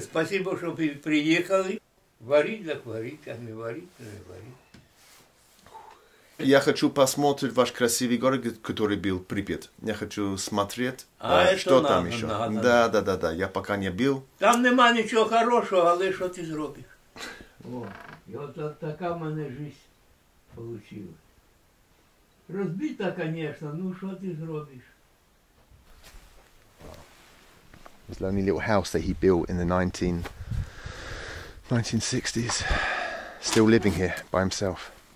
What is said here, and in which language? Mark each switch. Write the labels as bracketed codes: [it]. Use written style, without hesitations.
[ru] Спасибо, что вы приехали. Варить, так варить, а не варить, не варить. Я хочу посмотреть ваш красивый город, который был Припят. Я хочу смотреть, что там еще. Да. Я пока не был. Там нема ничего хорошего, але что ты сделаешь? [uk] І от така в мене життя вийшла. Розбита, звісно, ну що ти зробиш? [en] This lonely little house that he built in the 1960s. Still living here by himself.